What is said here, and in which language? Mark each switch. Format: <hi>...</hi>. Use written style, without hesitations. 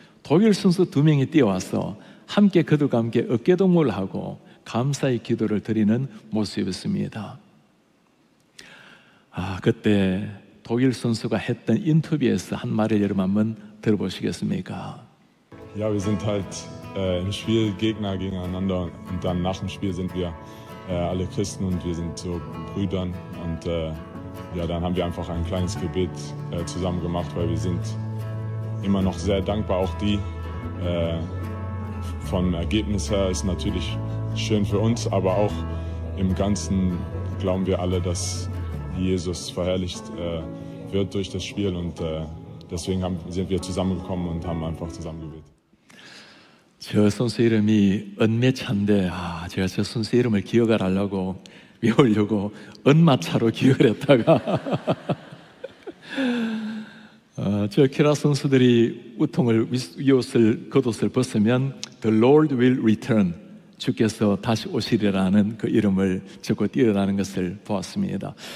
<ko>독일 선수 두 명이 뛰어와서 함께 그들과 함께 어깨동무를 하고 감사의 기도를 드리는 모습이었습니다. 아, 그때 독일 선수가 했던 인터뷰에서 한 말을 여러분 한번 들어보시겠습니까?</ko> <de>Ja, wir sind halt im Spiel Gegner gegeneinander und dann nach dem Spiel sind wir alle Christen und wir sind so Brüdern und ja, dann haben wir einfach ein kleines Gebet zusammen gemacht, weil wir sind immer noch sehr dankbar. Auch die vom Ergebnis her ist natürlich schön für uns, aber auch im Ganzen glauben wir alle, dass Jesus verherrlicht wird durch das Spiel. Und deswegen sind wir zusammengekommen und haben einfach zusammen gebetet.</de> <ko>저 선수 이름이 은매차인데, 아, 제가 저 선수 이름을 기억을 하려고, 외우려고 은마차로 기억을 했다가 저 키라 선수들이 우통을, 위옷을, 겉옷을 벗으면</ko> <en>The Lord will return,</en> <ko>주께서 다시 오시리라는 그 이름을 적고 뛰어다는 것을 보았습니다.</ko>